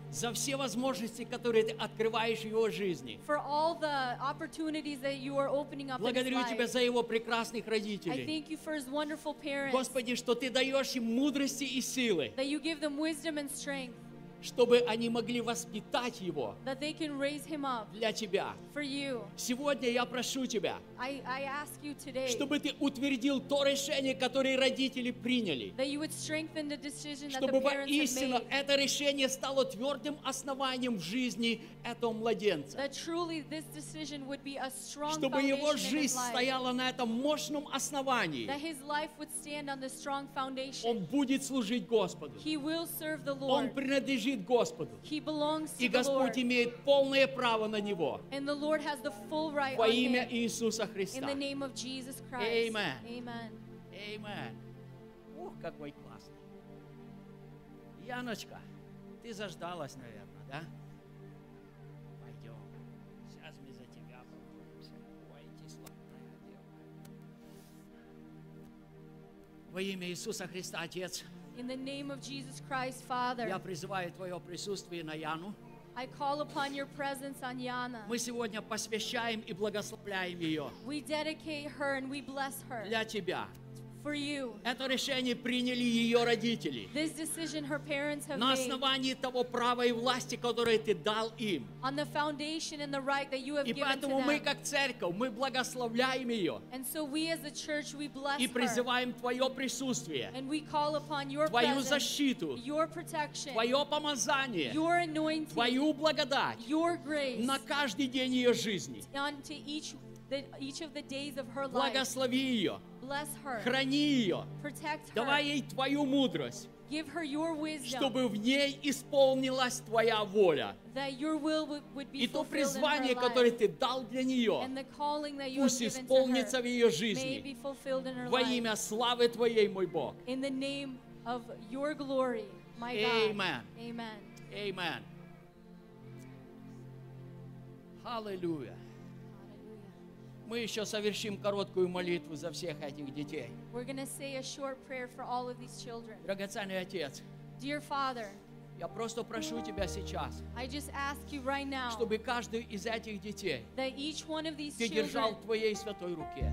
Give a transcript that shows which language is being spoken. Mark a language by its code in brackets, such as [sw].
[ru] За все возможности, которые ты открываешь в его жизни. [en] For all the opportunities that you are opening up. [ru] Благодарю [en] in his [ru] тебя [en] life. [ru] За его прекрасных родителей. [en] I thank you for his wonderful parents. [ru] Господи, что ты даешь им мудрости и силы. [en] That you give them wisdom and strength. [ru] чтобы они могли воспитать его [en] that they can raise him up [ru] для тебя. [en] For you. [ru] Сегодня я прошу тебя, [en] I ask you today, [ru] чтобы ты утвердил то решение, которое родители приняли, [en] that you would strengthen the decision that [ru] чтобы [en] the parents [ru] воистину [en] have made. [ru] Это решение стало твердым основанием в жизни этого младенца, [en] that truly this decision would be a strong [ru] чтобы его жизнь [en] life, [ru] стояла на этом мощном основании, [en] that his life would stand on the strong foundation. [ru] Он будет служить Господу, [en] he will serve the Lord. [ru] Он принадлежит Господу. [en] He belongs to [ru] и Господь [en] the Lord. [ru] Имеет полное право на него. [en] And the Lord has the full right [ru] во имя Иисуса Христа. [en] In the name of Jesus Christ. Amen. Amen. [ru] Amen. Ух, какой классный. Яночка, ты заждалась, наверное, да? Пойдем. Сейчас мы за тебя помолимся. Ой, ты сладкая девочка. Во имя Иисуса Христа, Отец. [en] In the name of Jesus Christ, Father, [ru] я призываю твое присутствие на Яну. [en] I call upon your presence on Yana. [ru] Мы сегодня посвящаем и благословляем ее. [en] We dedicate her and we bless her. [ru] Для тебя. [en] For you. [ru] Это решение приняли ее родители. [en] This decision her parents have [ru] на основании [en] made. [ru] Того права и власти, которое ты дал им. [en] On the foundation and the right that you have [ru] и [en] given [ru] поэтому [en] to them. [ru] Мы как церковь, мы благословляем ее. [en] And so we as a church, we bless [ru] и призываем твое присутствие. [en] And we call upon your [ru] твою [en] presence, [ru] защиту. [en] Your protection, [ru] твое помазание. [en] Your anointing, [ru] твою благодать. [en] Your grace, [ru] на каждый день ее жизни. [en] On to each of the days of her life. [ru] Благослови ее. [en] Bless her. [ru] Храни ее. [en] Protect her. [ru] Давай ей твою мудрость. [en] Give her your wisdom. [ru] Чтобы в ней исполнилась твоя воля. [en] That your will would be [ru] и то призвание, которое ты дал для нее, [en] and the calling that you [ru] пусть [en] have given [ru] исполнится [en] to her [ru] в ее жизни. [en] May be fulfilled in her [ru] во [en] life. [ru] Имя славы твоей, мой Бог. [en] In the name of your glory, my Amen. God. Amen. Amen. Hallelujah. [ru] Мы еще совершим короткую молитву за всех этих детей. [en] We're going to say a short prayer for all of these children. [ru] Драгоценный Отец, [en] Dear Father, [ru] я просто прошу тебя сейчас, [en] I just ask you right now, [ru] чтобы каждый из этих детей, [en] that each one of these [ru] ты держал в твоей святой руке,